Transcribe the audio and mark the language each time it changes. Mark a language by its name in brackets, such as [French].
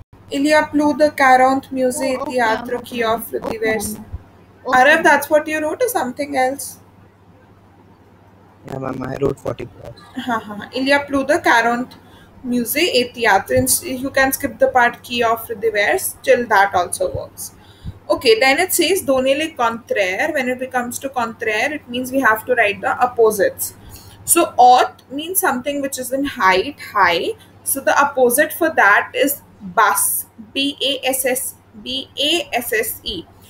[French] Il y a plus de 40 musées et théâtres qui offrent divers. [English] Arif, that's what you wrote or something else? Yeah, ma'am, I wrote 40 plus. [French] Il y a plus de 40 musées et théâtres. [English] You can skip the part [French] qui offrent divers [English] till that also works. Okay, then it says [French] donner le contraire. [English] When it becomes to contraire, it means we have to write the opposites. So, haute means something which is in height, high. So, the opposite for that is basse, B-A-S-S-E.